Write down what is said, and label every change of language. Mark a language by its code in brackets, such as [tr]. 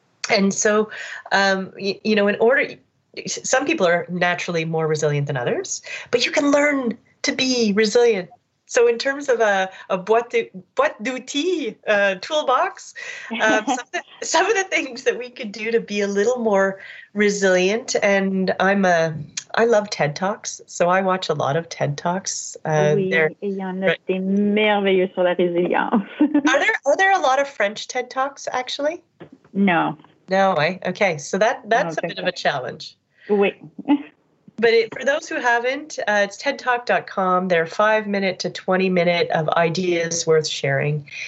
[en] And so, you know, in order, some people are naturally more resilient than others, but you can learn to be resilient. So in terms of a [fr] boîte d'outils [en] toolbox, some of the things that we could do to be a little more resilient, and I love TED Talks, so I watch a lot of TED Talks. [fr] Il y en a des merveilleux sur la résilience. [en] are there a lot of French TED Talks, actually? No. No way. Okay, so that's a bit of a challenge. [fr] Oui. [en] But for those who haven't, it's TEDTalk.com. They're 5-minute to 20-minute of ideas worth sharing.